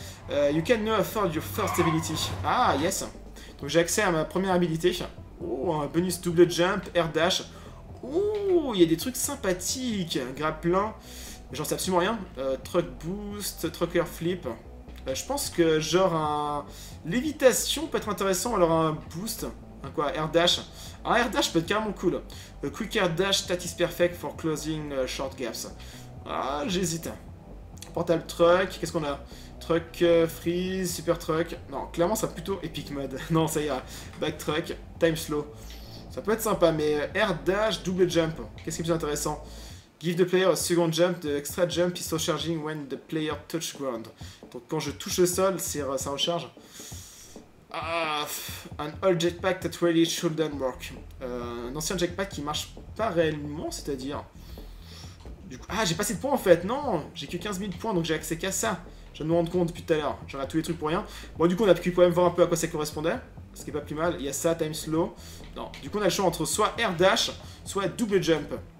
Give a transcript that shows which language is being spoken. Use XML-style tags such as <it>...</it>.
<en>You can now afford your first ability. Ah, yes.</en> <fr>Donc, j'ai accès à ma première habilité. Oh, un bonus double jump, air dash. Oh, il y a des trucs sympathiques. Grappelin. J'en sais absolument rien. Truck boost, trucker flip. Je pense que, genre, un... lévitation peut être intéressant. Alors, un boost. Un quoi? Air dash. Un air dash peut être carrément cool.</fr> <en>Quick air dash, status perfect for closing short gaps.</en> <fr>Ah, j'hésite. Portal truck, qu'est-ce qu'on a? Truck freeze, super truck. Non, clairement ça plutôt epic mode. Non, ça ira. Back truck, time slow. Ça peut être sympa, mais air dash, double jump. Qu'est-ce qui est plus intéressant?</fr> <en>Give the player a second jump, the extra jump is recharging when the player touch ground.</en> <fr>Donc quand je touche le sol, c'est, ça recharge.</fr> <en>An old jetpack that really shouldn't work.</en> <fr>Un ancien jetpack qui marche pas réellement, c'est-à-dire. Du coup, ah, j'ai pas assez de points en fait, non. J'ai que 15 000 points, donc j'ai accès qu'à ça. Je viens de me rendre compte depuis tout à l'heure. J'aurais tous les trucs pour rien. Bon, du coup, on a pu quand même voir un peu à quoi ça correspondait. Ce qui est pas plus mal. Il y a ça, time slow. Non, du coup, on a le choix entre soit air dash, soit double jump.</fr>